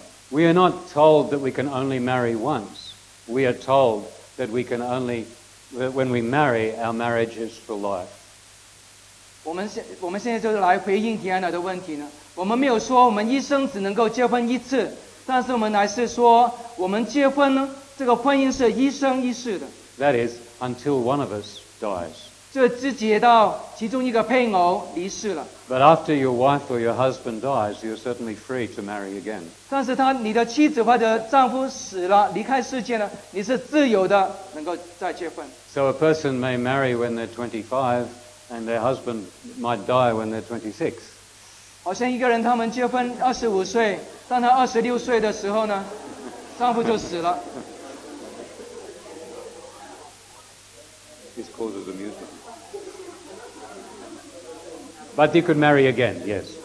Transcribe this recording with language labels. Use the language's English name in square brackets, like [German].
[English] We are not told that we can only marry once. We are told that we can only, that when we marry, our marriage is for life. [Chinese] 我们现在就来回应提安娜的问题呢, 我们没有说我们一生只能够结婚一次, 但是我们乃是说我们结婚呢, 这个婚姻是一生一世的。 [English] That is, until one of us dies. [Chinese] 这只解到其中一个配偶离世了。 [English] But after your wife or your husband dies, you're certainly free to marry again. [Chinese] 但是你的妻子或者丈夫死了，离开世界了, 你是自由的能够再结婚。 [English] So a person may marry when they're 25, and their husband might die when they're 26. [Chinese] 好像一个人他们结婚25岁, 当他26岁的时候呢, 丈夫就死了。 [English] This causes amusement. But you could marry again, yes.